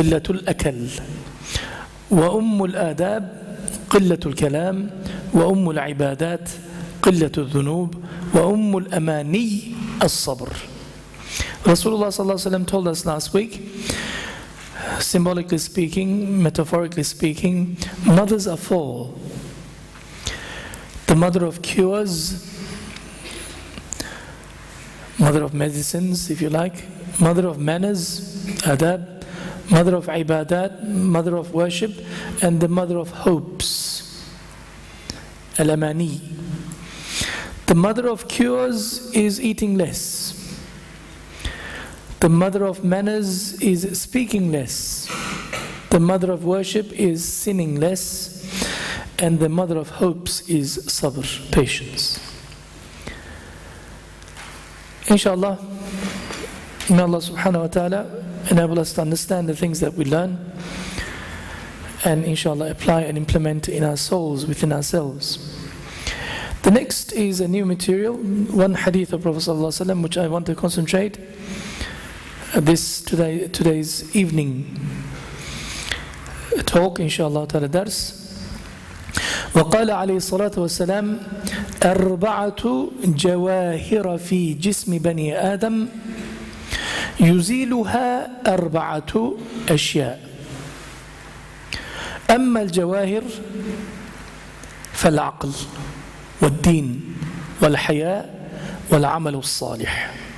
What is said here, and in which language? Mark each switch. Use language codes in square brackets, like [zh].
[ar] الأكل وأم الآداب قلة الكلام وأم العبادات قلة الذنوب وأم الأماني الصبر رسول الله صلى الله عليه وسلم [en] told us last week symbolically speaking, metaphorically speaking, mothers are four the mother of cures, mother of medicines, if you like, mother of manners, adab, mother of ibadat, mother of worship, and the mother of hopes, al-amani. The mother of cures is eating less. The mother of manners is speaking less. The mother of worship is sinning less. And the mother of hopes is sabr, patience. Inshallah, may Allah subhanahu wa ta'ala enable us to understand the things that we learn and inshallah apply and implement in our souls, within ourselves. The next is a new material, one hadith of Prophet sallallahu alaihi wasallam, which I want to concentrate today's evening talk, inshallah ta'ala dars. [ar] وقال عليه الصلاة والسلام أربعة جواهر في جسم بني آدم يزيلها أربعة أشياء أما الجواهر فالعقل والدين والحياء والعمل الصالح